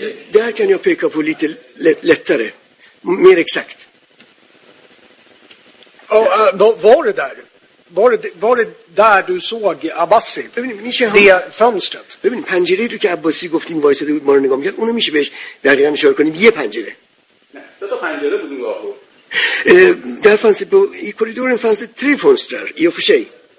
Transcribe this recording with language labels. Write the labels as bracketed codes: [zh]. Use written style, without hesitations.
[sv] Där kan jag peka på lite lättare, mer exakt. Oh, var det där? Var det där du såg Abbasi? Det fönstret. [fa] ببین پنجره‌ای رو که عباسی گفتیم وایساده بود ما رو نگاه می‌کرد اونو میشه بهش دقیقاً اشاره کنیم یه پنجره. سه تا پنجره بود اونجا. [sv] Där fanns det i korridoren fanns det tre fönster i och för sig.